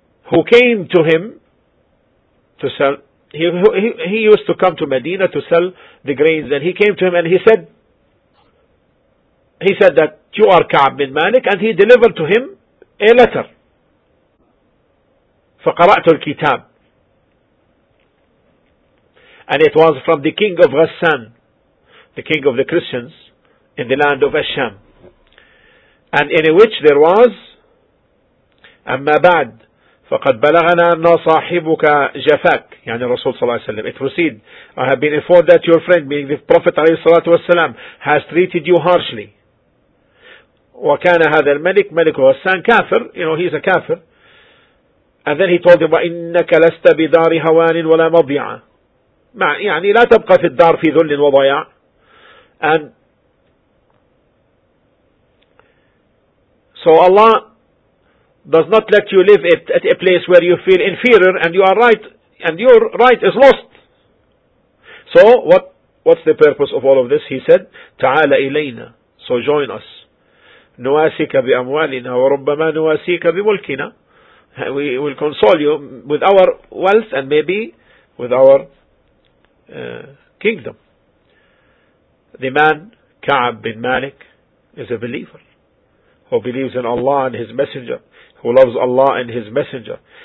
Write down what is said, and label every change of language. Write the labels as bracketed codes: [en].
[en] Who came to him to sell. He used to come to Medina to sell the grains, and he came to him and he said that you are Ka'b bin Malik, and he delivered to him a letter. [ar] فقرأت الكتاب. [en] And it was from the king of Ghassan, the king of the Christians, in the land of Asham. And in which there was, [ar] أما بعد فقد بلغنا أن صاحبك جفاك. يعني الرسول صلى الله عليه وسلم. [en] It proceed. I have been informed that your friend, meaning the Prophet عليه الصلاة والسلام, has treated you harshly. [ar] وكان هذا الملك ملك غسان كافر. [en] You know, he's a kafir. And then he told him, [ar] وَإِنَّكَ لَسْتَ بِدَارِ هَوَانٍ وَلَا مَضْيَعًا. يعني لا تبقى في الدار في ذل وضياع. [en] And so Allah does not let you live it at a place where you feel inferior, and you are right, and your right is lost. So what's the purpose of all of this? He said, [ar] تعال إلينا. [en] So join us. [ar] نواسيك بأموالنا وربما نواسيك بملكنا. [en] We will console you with our wealth and maybe with our kingdom. The man, Ka'b bin Malik, is a believer who believes in Allah and His Messenger, who loves Allah and His Messenger.